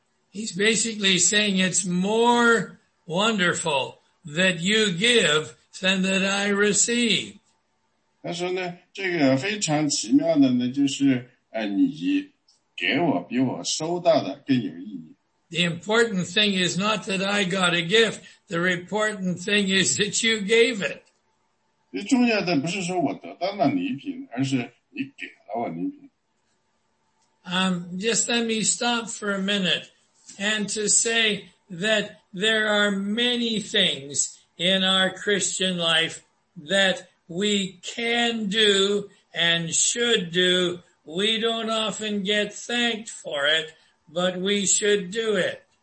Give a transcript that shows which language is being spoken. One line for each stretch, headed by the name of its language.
English: He's basically saying it's more wonderful that you give than that I receive.
Chinese: 他说呢，这个非常奇妙的呢，就是你给我比我收到的更有意义。
English: The important thing is not that I got a gift. The important thing is that you gave it.
Chinese: 重要的不是说我得到了礼品，而是你给了我礼品。
English: Just let me stop for a minute and to say that there are many things in our Christian life that we can do and should do. We don't often get thanked for it, but we should do it.